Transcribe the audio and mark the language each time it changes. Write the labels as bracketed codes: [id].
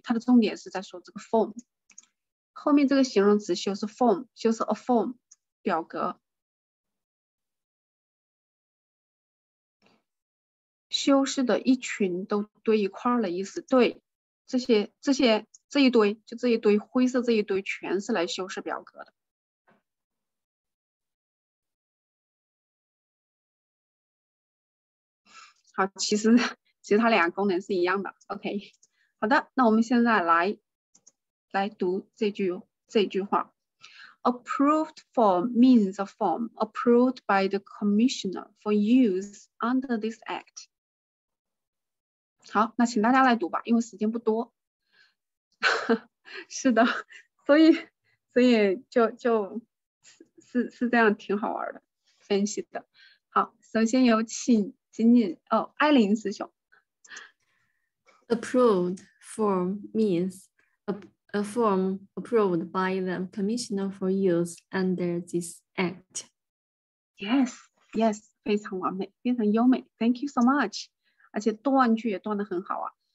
[zh] 它的重点是在说这个 form， 后面这个形容词修饰 form， 修饰 a form 表格，修饰的一群都堆一块的意思，对，这些这一堆，就这一堆灰色这一堆全是来修饰表格的。好，其实它俩功能是一样的。OK， 好的，那我们现在来读这句话。 [en] Approved form means a form approved by the commissioner for use under this act。 [zh] 好，那请大家来读吧，因为时间不多。是的，所以就是这样，挺好玩的，分析的。好，首先有请仅仅哦，艾琳师兄。 [en] Approved form means a form approved by the commissioner for use under this act. Yes, yes, [zh] 非常完美，非常优美。 [en] Thank you so much. [zh] 而且断句也断得很好啊。